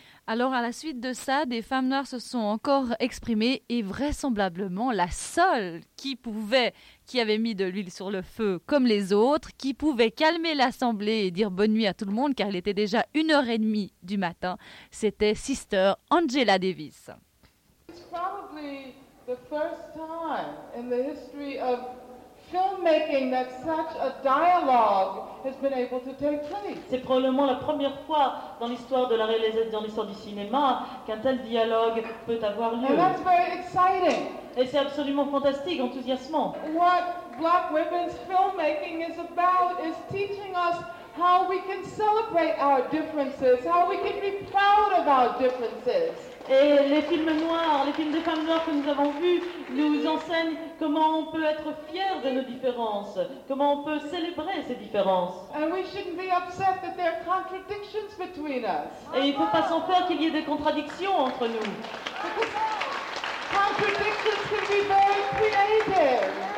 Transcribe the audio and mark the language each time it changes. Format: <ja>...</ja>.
<fr>Alors, à la suite de ça, des femmes noires se sont encore exprimées et vraisemblablement la seule qui pouvait, qui avait mis de l'huile sur le feu comme les autres, qui pouvait calmer l'assemblée et dire bonne nuit à tout le monde car il était déjà 1h30 du matin, c'était Sister Angela Davis.</fr> <en>It's probably the first time in the history of filmmaking that such a dialogue has been able to take place.</en> <fr>C'est probablement la première fois dans l'histoire de la réalisation, dans l'histoire du cinéma, qu'un tel dialogue peut avoir lieu.</fr> <en>And that's very exciting.</en> <fr>Et c'est absolument fantastique, enthousiasmant.</fr> <en>What Black women's filmmaking is about is teaching us how we can celebrate our differences, how we can be proud of our differences.</en> <fr>Et les films noirs, les films de femmes noires que nous avons vus, nous enseignent comment on peut être fier de nos différences, comment on peut célébrer ces différences.</fr> <en>And we shouldn't be upset that there are contradictions between us.</en> <fr>Et il ne faut pas s'en faire qu'il y ait des contradictions entre nous.</fr> <en>Contradictions can be very creative.</en>